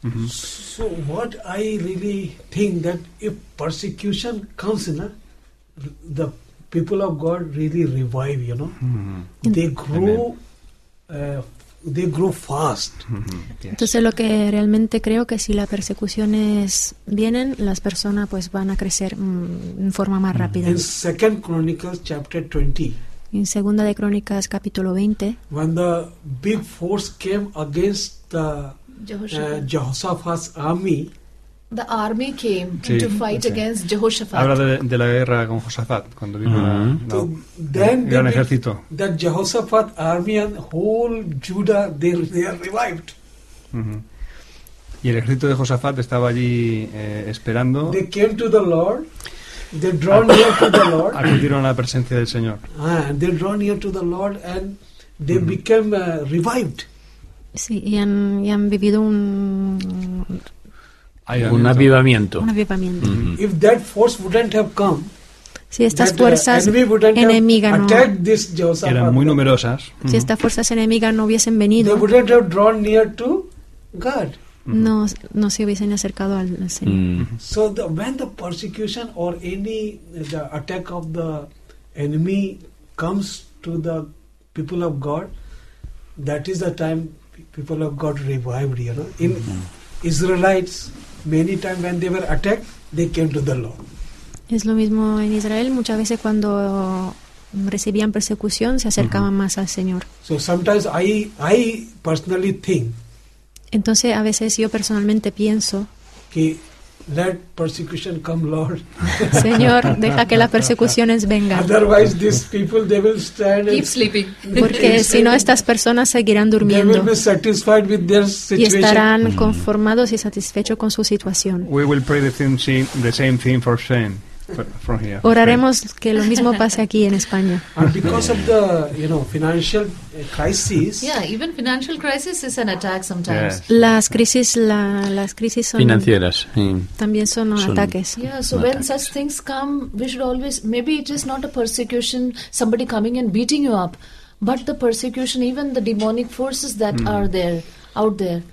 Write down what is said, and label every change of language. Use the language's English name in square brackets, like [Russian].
[English] So what I really think that if persecution comes, you know, the people of God really revive, you know. They grow fast. [Spanish] Entonces lo que realmente creo que si las persecuciones vienen, las personas pues van a crecer en forma más rápida. [English] In Second Chronicles chapter 20. [Spanish] En Segunda de Crónicas capítulo 20. [English] When the big force came against the Jehoshaphat's army. The army came to fight against Jehoshaphat. [Spanish] Habla de la guerra con Josafat cuando vino el gran ejército. [English] The Jehoshaphat army and whole Judah they are revived. [Spanish] Y el ejército de Josafat estaba allí esperando. [English] They came to the Lord. They drew near to the Lord. [Spanish] Acudieron a la presencia del Señor. [English] They drew near to the Lord and they became revived. [Spanish] Sí, y han vivido un avivamiento. [English] If that force wouldn't have come, [Spanish] si estas fuerzas enemigas no eran muy numerosas, si estas fuerzas enemigas no hubiesen venido, [English] they wouldn't have drawn near to God. [Spanish] No se hubiesen acercado al Señor. [English] So the, when the persecution or any the attack of the enemy comes to the people of God, that is the time people of God revived, you know. In Israelites, many times when they were attacked, they came to the Lord. [Spanish] Es lo mismo en Israel. Muchas veces cuando recibían persecución, se acercaban más al Señor. [English] So sometimes I personally think. [Spanish] Entonces a veces yo personalmente pienso. [English] Que let persecution come, Lord. [Spanish] Señor, deja que las persecuciones vengan. [English] Otherwise, these people they will stand. Keep sleeping. [Spanish] Porque si no, estas personas seguirán durmiendo. [English] They will be satisfied with their situation. [Spanish] Y estarán conformados y satisfechos con su situación. [English] We will pray the same thing for Spain, from here. [Spanish] Oraremos que lo mismo pase aquí en España. [English] And because of the, you know, financial crisis. Yeah, even financial crisis is an attack sometimes. Yes. [Spanish] Las crisis son financieras. También son ataques. [English] Yeah, so when attacks. Such things come, we should always, maybe it is not a persecution, somebody coming and beating you up, but the persecution, even the demonic forces that are there, out there.